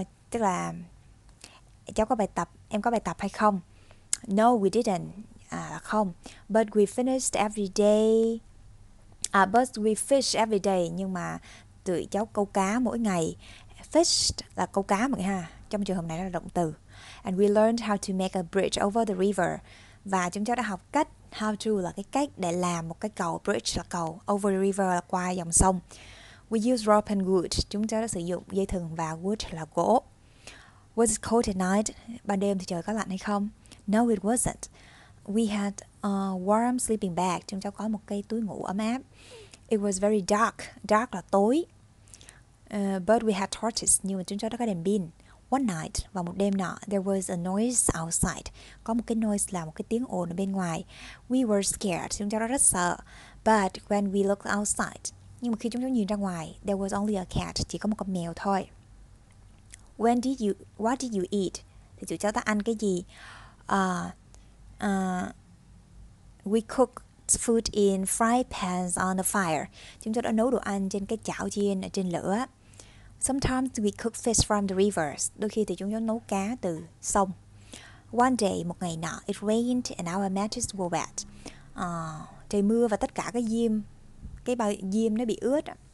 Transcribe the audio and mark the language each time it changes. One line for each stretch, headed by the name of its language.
Vietnamese: Tức là cháu có bài tập, em có bài tập hay không?
English: No, we didn't.
Vietnamese: Không.
English: But we finished every day. But we fish every day.
Vietnamese: Nhưng mà tụi cháu câu cá mỗi ngày. Fished là câu cá mà ha. Trong trường hợp này là động từ.
English: And we learned how to make a bridge over the river.
Vietnamese: Và chúng cháu đã học cách. How to là cái cách để làm một cái cầu. Bridge là cầu.
English: Over the river
Vietnamese: là qua dòng sông.
English: We use rope and wood.
Vietnamese: Chúng cháu đã sử dụng dây thừng và wood là gỗ.
English: Was it cold at night?
Vietnamese: Ban đêm thì trời có lạnh hay không?
English: No, it wasn't. We had a warm sleeping bag.
Vietnamese: Chúng cháu có một cái túi ngủ ấm áp.
English: It was very dark.
Vietnamese: Dark là tối.
English: But we had torches.
Vietnamese: Nhưng mà chúng cháu đã có đèn pin.
English: One night,
Vietnamese: vào một đêm nọ,
English: there was a noise outside.
Vietnamese: Có một cái noise là một cái tiếng ồn ở bên ngoài.
English: We were scared.
Vietnamese: Chúng cháu đã rất sợ.
English: But when we looked outside,
Vietnamese: nhưng mà khi chúng cháu nhìn ra ngoài,
English: there was only a cat.
Vietnamese: Chỉ có một con mèo thôi.
English: What did you eat?
Vietnamese: Thì chúng cháu đã ăn cái gì?
English: We cooked food in fry pans on the fire.
Vietnamese: Chúng tôi đã nấu đồ ăn trên cái chảo chiên ở trên lửa.
English: Sometimes we cook fish from the rivers.
Vietnamese: Đôi khi thì chúng tôi nấu cá từ sông.
English: One day,
Vietnamese: một ngày nọ,
English: it rained and our matches were wet.
Vietnamese: Trời mưa và tất cả cái diêm, cái bao diêm nó bị ướt.